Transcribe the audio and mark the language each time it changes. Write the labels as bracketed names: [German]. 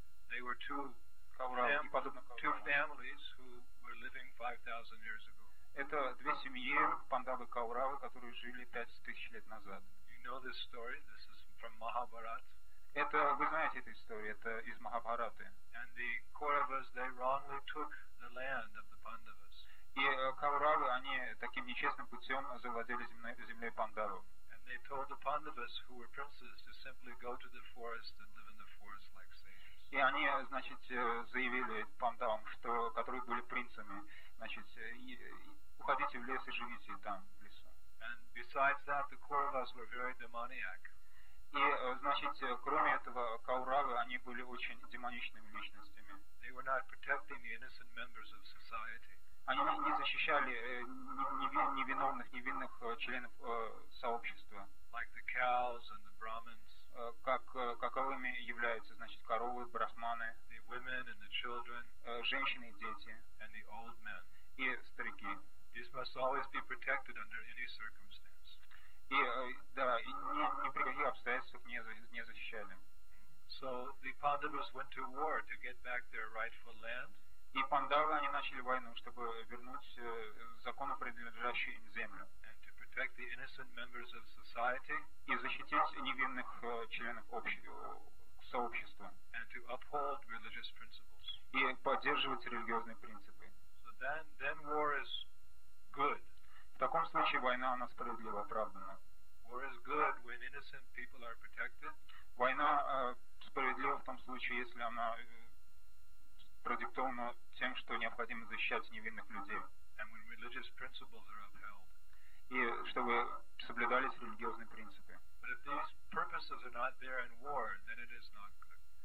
[English] They were two families who were living 5,000 years ago. [Russian] Это две семьи Пандавы Кауравы, которые жили 5000 лет назад. [English] You know this story? This is from Mahabharata. [Russian] Это вы знаете эту историю, это из Махабхараты. [English] And the Kauravas, they wrongly took the land of the Pandavas. [Russian] И Кауравы, они таким нечестным путем завладели землей Пандавов. [English] And they told the Pandavas, who were princes, to simply go to the forest and live in the forest like sages. [Russian] И они, значит, заявили Пандавам, что которые были принцами, значит, уходите в лес и живите там в лесу. [English] And besides that, the Kauravas were very demoniac. [Russian] И, значит, кроме этого, Кауравы, они были очень демоничными личностями. [English] They were not protecting the innocent members of society. [Russian] Они не защищали невинных членов сообщества. [English] Like the cows and the Brahmins. [Russian] Каковыми являются, значит, коровы, брахманы, [English] the women and the children, [Russian] женщины и дети, [English] and the old men. [Russian] И старики. [English] These must always be protected under any circumstance. [Russian] И да, и ни при каких обстоятельствах не защищали. [English] So the Pandavas went to war to get back their rightful land. [Russian] И Пандавы, они начали войну, чтобы вернуть законно принадлежащую им землю. [English] And to protect the innocent members of society. [Russian] И защитить невинных членов сообщества. [English] And to uphold religious principles. [Russian] И поддерживать религиозные принципы. [English] So then war is good. [Russian] В таком случае война, она справедлива, оправдана. [English] War is good when innocent people are protected. [Russian] Война справедлива в том случае, если она продиктована тем, что необходимо защищать невинных людей. [English] And when religious principles are upheld. [Russian] И чтобы соблюдались религиозные принципы. [English] But if these purposes are not there in war, then it is not good.